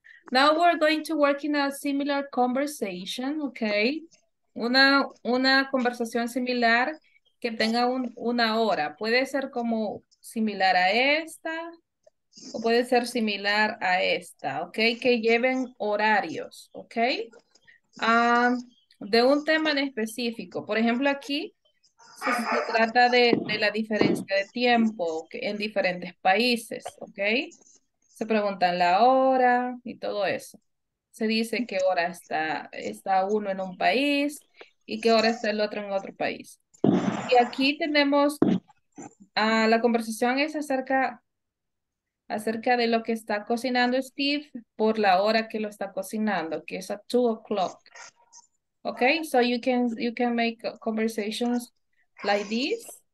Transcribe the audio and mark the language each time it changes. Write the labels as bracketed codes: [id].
[en] Now we're going to work in a similar conversation, okay? [es] Una conversación similar que tenga una hora. Puede ser como similar a esta o puede ser similar a esta, okay? Que lleven horarios, okay? De un tema en específico. Por ejemplo, aquí se trata de la diferencia de tiempo en diferentes países, ¿ok? Se preguntan la hora y todo eso. Se dice qué hora está uno en un país y qué hora está el otro en otro país. Y aquí tenemos, la conversación es acerca de lo que está cocinando Steve por la hora que lo está cocinando, que es a 2 o'clock. [en] Okay, so you can make conversations like this.